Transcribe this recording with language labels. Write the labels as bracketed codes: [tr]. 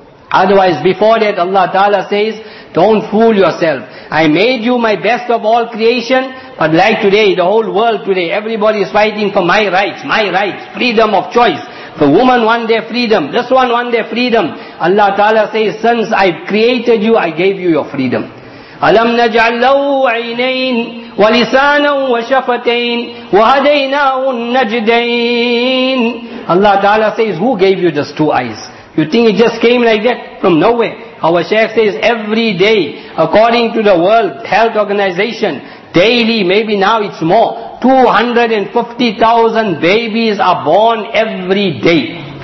[en] Otherwise, before that, Allah Ta'ala says, don't fool yourself. I made you my best of all creation, but like today, the whole world today, everybody is fighting for my rights, freedom of choice. The woman won their freedom, this one won their freedom. Allah Ta'ala says, since I've created you, I gave you your freedom. [ar] ألم نجعل له عينين ولسانا وشفتين وهديناه النجدين. [en] Allah Ta'ala says, who gave you just two eyes? You think it just came like that from nowhere? Our Shaykh says, every day, according to the World Health Organization, daily, maybe now it's more, 250,000 babies are born every day.